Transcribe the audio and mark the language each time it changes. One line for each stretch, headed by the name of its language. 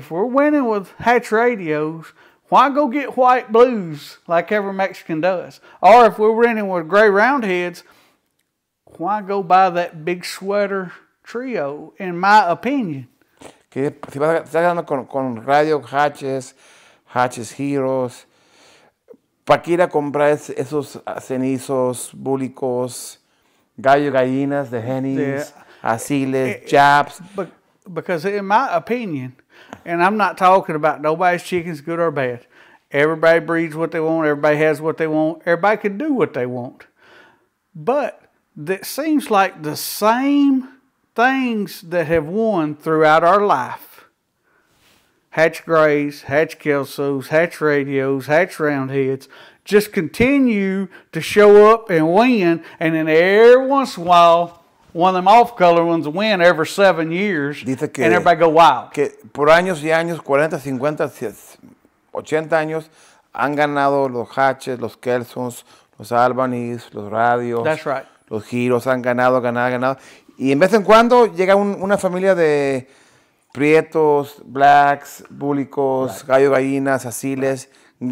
English: If we're winning with hatch radios, why go get white blues like every Mexican does? Or if we're winning with gray roundheads, why go buy that big sweater trio, in my opinion?
Spanish: Que si vas hablando con radio hatches, hatches heroes, ¿para qué ir a comprar esos cenizos, búlicos, gallo gallinas, de hennies?
English: Yeah.
Spanish: Asiles, chaps.
English: Because in my opinion, and I'm not talking about nobody's chickens, good or bad. Everybody breeds what they want. Everybody has what they want. Everybody can do what they want. But it seems like the same things that have won throughout our life, hatch grays, hatch Kelsos, hatch radios, hatch roundheads, just continue to show up and win. And then every once in a while, one of them off-color ones win every 7 years,
Spanish: que,
English: and everybody go wild.
Spanish: Que por años y años, 40, 50, 80 años, han ganado los hatches, los Kelsons, los Albanese, los radios.
English: That's right.
Spanish: Los giros han ganado, ganado, ganado. Y en vez en cuando llega una familia de prietos, blacks, búlicos, right, gallo gallinas, asiles. Right.